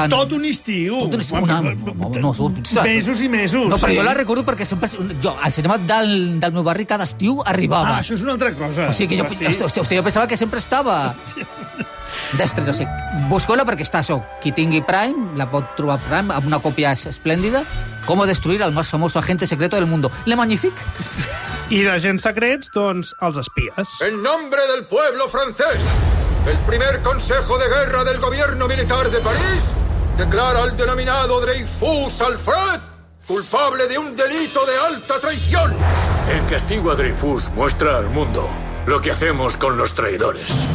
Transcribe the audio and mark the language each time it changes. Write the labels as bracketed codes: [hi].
[ca] Tot un estiu. Mesos i mesos. No, però sí. Jo la recordo perquè sempre... Jo, al cinema del meu barri cada estiu arribava. Ah, això és una altra cosa. O sigui que jo pensava que sempre estava... d'estret, o sigui, busqueu-la perquè està això. Qui tingui Prime, la pot trobar Prime amb una còpia esplèndida. [es] ¿Cómo destruir al más famoso agente secreto del mundo? [fr] Le magnifique. [ca] I d'agents secrets, doncs, els espies. [es] En nombre del pueblo francés, el primer consejo de guerra del gobierno militar de París declara al denominado Dreyfus Alfred culpable de un delito de alta traición. El castigo a Dreyfus muestra al mundo lo que hacemos con los traidores.